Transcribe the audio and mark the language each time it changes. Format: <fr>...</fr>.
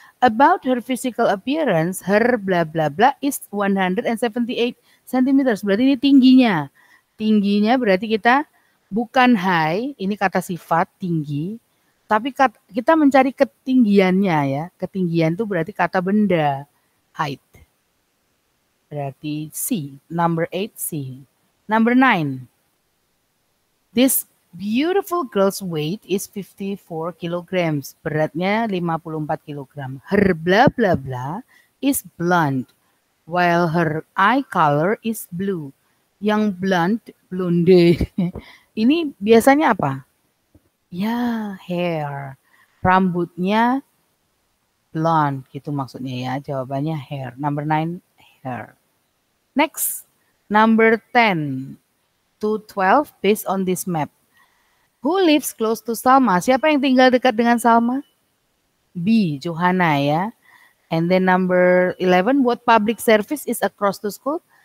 <en>About her physical appearance, her bla bla bla is 178 cm.</en> <id>Berarti ini tingginya. Tingginya berarti kita bukan high, ini kata sifat tinggi, tapi kita mencari ketinggiannya ya. Ketinggian itu berarti kata benda height. Berarti C,</id> <en>number 8 C. Number 9. This Beautiful girl's weight is 54 kilograms.</en> <id>Beratnya 54 kilogram.</id> <en>Her blah blah blah is blonde, while her eye color is blue.</en> <id>Yang blonde, blonde. Ini biasanya apa? Ya, hair. Rambutnya blonde, gitu maksudnya ya. Jawabannya hair.</id> <en>Number 9, hair. Next, number 10 to 12 based on this map. Who lives close to Salma?</en> <id>Siapa yang tinggal dekat dengan Salma? B, Johanna ya.</id> <en>And then number 11, what public service is across the school?</en>